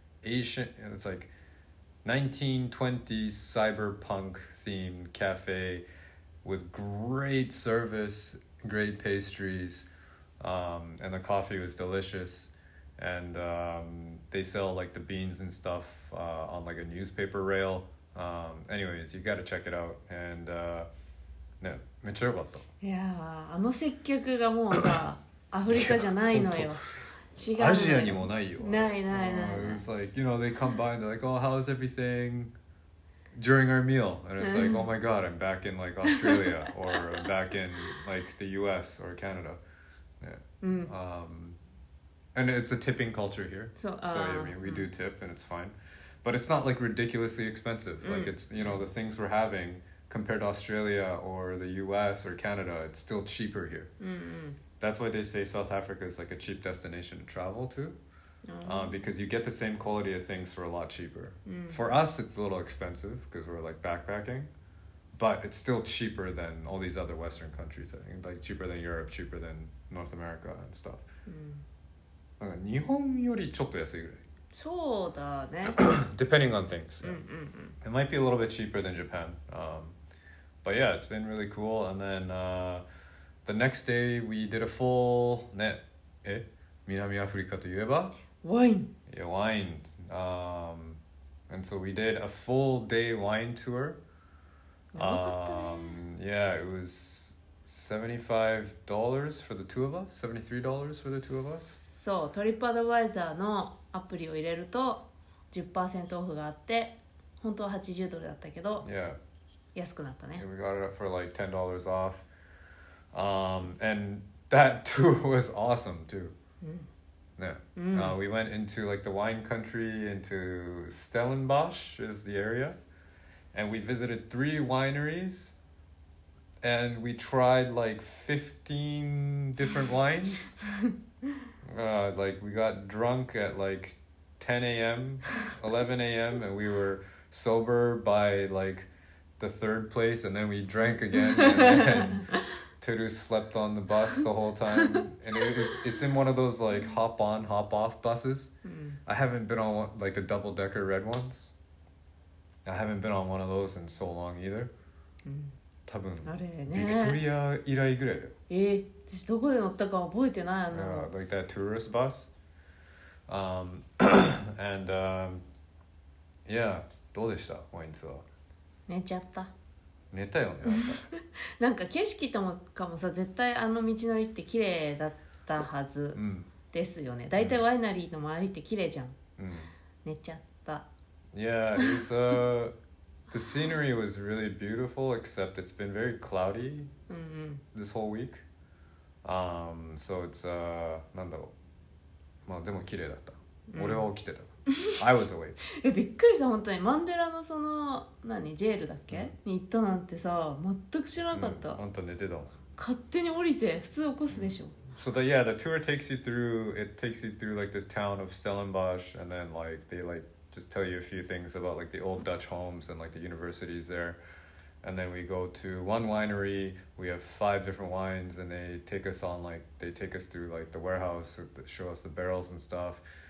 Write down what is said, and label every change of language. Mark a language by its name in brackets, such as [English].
[English] Asian, it's like 1920s cyberpunk themed cafe with great service, great pastries, and the coffee was delicious. And they sell like the beans and stuff on like a newspaper rail. Anyways, you gotta check it out. And [Japanese] ね、めっちゃ良かった。 [English] いやあ、あの接客がもうさ、アフリカじゃないのよ。違う。アジアにもないよ。ない。 It's like, you know, they come by and they're like, oh, how's everything during our meal? And it's like, oh my god, I'm back in like Australia or I'm back in like the US or Canada. Yeah. And it's a tipping culture here. So, I mean, we do tip and it's fine. But it's not like ridiculously expensive. Like it's, you know, the things we're having compared to Australia or the US or Canada, it's still cheaper here. That's why they say South Africa is like a cheap destination to travel to. Because you get the same quality of things for a lot cheaper. For us, it's a little expensive because we're like backpacking. But it's still cheaper than all these other Western countries. I think like cheaper than Europe, cheaper than North America and stuff. [Japanese] なんか日本よりちょっと安いぐらい。そうだね。 [English] Depending on things. Yeah. It might be a little bit cheaper than Japan. But yeah, it's been really cool. And then the next day we did a full... [Japanese] ね、え、南アフリカといえば? [English] Wine. Yeah, wine. And so we did a full day wine tour. [Japanese] なるほどね。 [English] Yeah, it was $75 for the two of us. $73 for the two of us. [Japanese] そう、トリップアドバイザーのアプリを入れると 10% オフがあって、本当は80ドルだったけど、 [English] yeah. [Japanese] 安くなったね。 [English] Yeah, we got it for like $10 off. And that tour was awesome too. We went into like the wine country, into Stellenbosch is the area. And we visited three wineries. And we tried like 15 different wines. like we got drunk at like 10 a.m. 11 a.m. and we were sober by like the third place, and then we drank again, and Teru slept on the bus the whole time, and it's in one of those like hop on hop off buses. I haven't been on one, like the double decker red ones. I haven't been on one of those in so long either. [Japanese] 多分ビクトリア以来ぐらいだよ。私どこで乗ったか覚えてないの。 [English] Yeah, like that tourist bus. and yeah, [Japanese] どうでした？ワインツアー。寝ちゃった。寝たよね。なんか景色ともかもさ、絶対あの道のりって綺麗だったはずですよね。だいたいワイナリーの周りって綺麗じゃん。寝ちゃった。 [English] Yeah, it's the scenery was really beautiful, except it's been very cloudy this whole week. So it's, [Japanese] なんだろう。まあでも綺麗だった。俺は起きてた。 [English] I was awake. [Japanese] え、びっくりした、本当に。マンデラのその、何、ジェールだっけ、に行ったなんてさ、全く知らなかった。あんた寝てた。勝手に降りて、普通起こすでしょ。 [English] So the, yeah, the tour takes you through, it takes you through like the town of Stellenbosch, and then like, they like, just tell you a few things about like the old Dutch homes and like the universities there. And then we go to one winery, we have five different wines, and they take us on like, they take us through like the warehouse, show us the barrels and stuff.